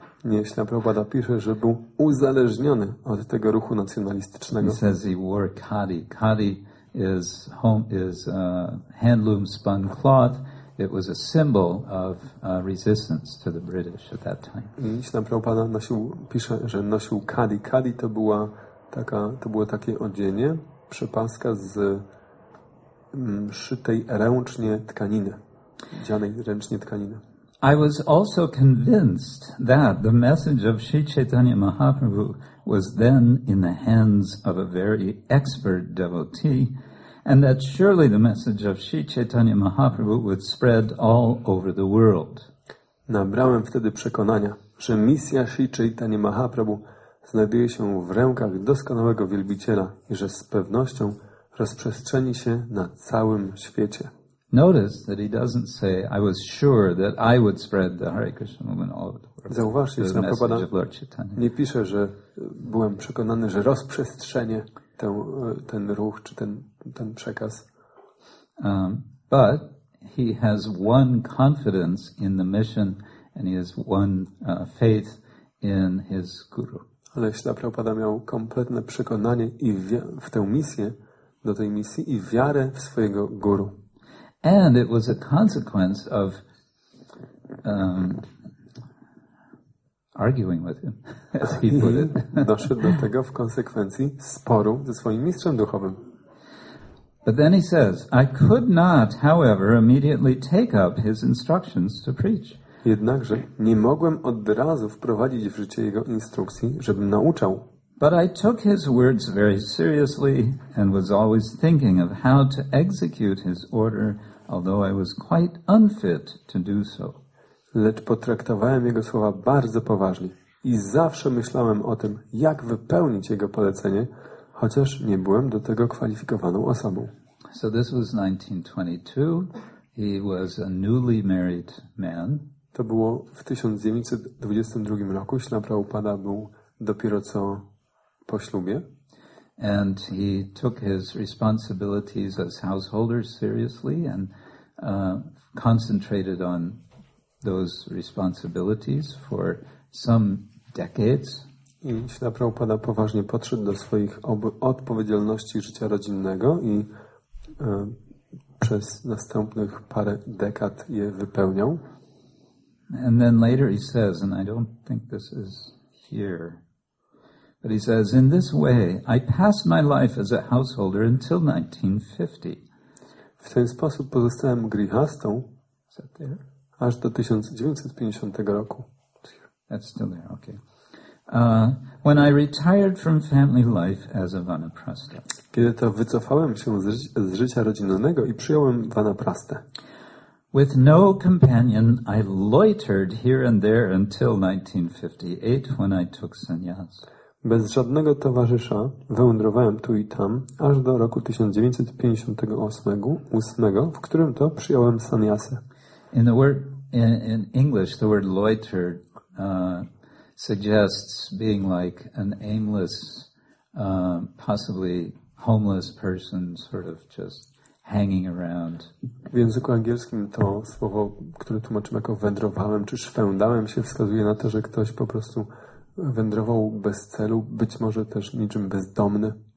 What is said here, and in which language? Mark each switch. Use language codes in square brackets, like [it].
[pl] Nie, Śla Prabhupada pisze, że był uzależniony od tego ruchu nacjonalistycznego. [en] He says he wore khadi. Khadi is home is handloom spun cloth. It was a symbol of resistance to the British at that time. [pl] Śla Prabhupada pisze, że nosił khadi. Khadi to była taka, to było takie odzienie, przepaska z szytej ręcznie tkaniny, dzianej ręcznie tkaniny. [en] I was also convinced that the message of Sri Chaitanya Mahaprabhu was then in the hands of a very expert devotee, and that surely the message of Sri Chaitanya Mahaprabhu would spread all over the world. [pl] Nabrałem wtedy przekonania, że misja Sri Chaitanya Mahaprabhu znajduje się w rękach doskonałego wielbiciela i że z pewnością rozprzestrzeni się na całym świecie. [en] Notice that he doesn't say, I was sure that I would spread the Hare Krishna movement all over the world. [pl] Zauważcie, że Prabhupada nie pisze, że byłem przekonany, że rozprzestrzenię ten ruch czy ten przekaz. [en] But he has one confidence in the mission and he has one faith in his guru. [pl] Ale Śla Prabhupada miał kompletne przekonanie i w tę misję, do tej misji i wiarę w swojego guru. [en] And it was a consequence of arguing with him, as he put it. [pl] Doszedł do tego w konsekwencji sporu ze swoim mistrzem duchowym. [en] But then he says, I could not, however, immediately take up his instructions to preach. [pl] Jednakże nie mogłem od razu wprowadzić w życie jego instrukcji, żeby nauczał. [en] But I took his words very seriously and was always thinking of how to execute his order, although I was quite unfit to do so. [pl] Lecz potraktowałem jego słowa bardzo poważnie i zawsze myślałem o tym, jak wypełnić jego polecenie, chociaż nie byłem do tego kwalifikowaną osobą. [en] So this was 1922. He was a newly married man. [pl] To było w 1922 roku. Śla Prabhupada był dopiero co po ślubie. [en] And he took his responsibilities as householder seriously and concentrated on those responsibilities for some decades. [pl] I Śla Prabhupada poważnie podszedł do swoich odpowiedzialności życia rodzinnego i przez następnych parę dekad je wypełniał. [en] And then later he says, and I don't think this is here, but he says, in this way, I passed my life as a householder until 1950. [pl] W ten sposób pozostałem grihastą aż do 1950 roku. [en] That's still there, okay. When I retired from family life as a vanaprastha. [pl] Kiedy to wycofałem się z życia rodzinnego i przyjąłem vanaprastę. [en] With no companion, I loitered here and there until 1958, when I took sannyas. [pl] Bez żadnego towarzysza wędrowałem tu i tam, aż do roku 1958, w którym to przyjąłem sannyasę. [en] In English, the word loiter suggests being like an aimless, possibly homeless person, sort of just hanging around. [pl] W języku angielskim to słowo, które tłumaczymy jako wędrowałem czy szwędałem, się wskazuje na to, że ktoś po prostu wędrował bez celu, być może też niczym bezdomny.